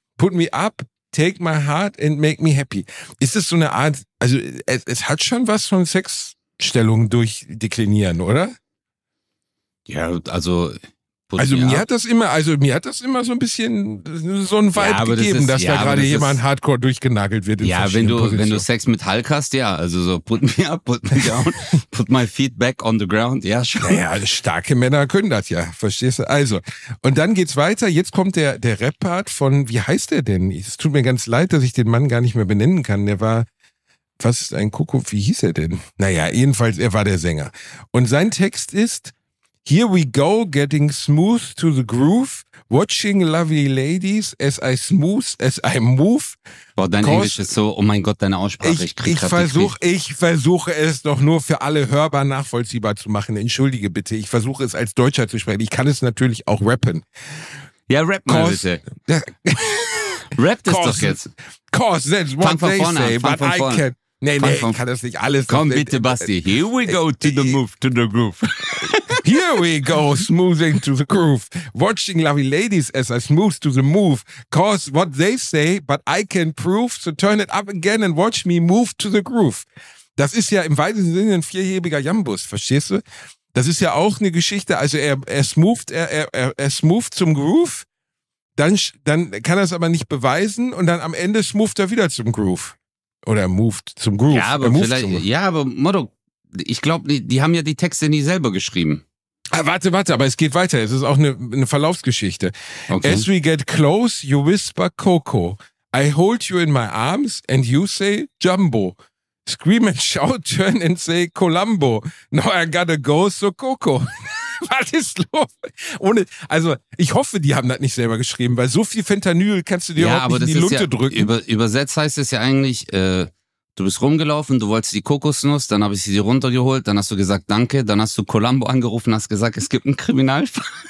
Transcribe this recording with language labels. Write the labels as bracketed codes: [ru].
[en] put me up, take my heart and make me happy. [de] Ist das so eine Art, also es hat schon was von Sexstellung durchdeklinieren, oder? Ja, also... Also mir hat das immer, so ein bisschen so ein Vibe gegeben, dass da gerade jemand hardcore durchgenagelt wird. Ja, wenn du Sex mit Hulk hast, ja, also so [en] put me up, put me down, put my feet back on the ground, [de] ja schon. Naja, starke Männer können das ja, verstehst du? Also, und dann geht's weiter, jetzt kommt der Rap-Part von, wie heißt der denn? Es tut mir ganz leid, dass ich den Mann gar nicht mehr benennen kann, der war... Was ist ein Kuckuck, wie hieß er denn? Naja, jedenfalls, er war der Sänger. Und sein Text ist... [en] Here we go, getting smooth to the groove, watching lovely ladies as I move. [de] Boah, dein Englisch ist so, oh mein Gott, deine Aussprache, ich versuche es doch nur für alle hörbar nachvollziehbar zu machen. Entschuldige bitte, ich versuche es als Deutscher zu sprechen. Ich kann es natürlich auch rappen. Ja, rap mal bitte. Rap das doch jetzt. [en] Cause that's what they say, but I can't. [de] Nee, ich kann das nicht alles. Komm bitte, Basti. [en] Here we go to the move, to the groove. Here we go, smoothing to the groove. Watching lovely ladies as I smooth to the move. Cause what they say, but I can prove. So turn it up again and watch me move to the groove. [de] Das ist ja im weitesten Sinne ein vierhebiger Jambus, verstehst du? Das ist ja auch eine Geschichte. Also er smoothed zum Groove. Dann kann er es aber nicht beweisen. Und dann am Ende smoothed er wieder zum Groove. Oder moved zum Groove. Ja, aber vielleicht, Motto, ich glaube, die haben ja die Texte nie selber geschrieben. Ah, warte, aber es geht weiter. Es ist auch eine Verlaufsgeschichte. [en] Okay. As we get close, you whisper Coco. I hold you in my arms and you say Jumbo. Scream and shout, turn and say Columbo. Now I gotta go, so Coco. [de] Was ist los? Ich hoffe, die haben das nicht selber geschrieben, weil so viel Fentanyl kannst du dir auch nicht in die Lunte drücken. Übersetzt heißt es ja eigentlich, du bist rumgelaufen, du wolltest die Kokosnuss, dann habe ich sie dir runtergeholt, dann hast du gesagt danke, dann hast du Columbo angerufen, hast gesagt, es gibt einen Kriminalfall.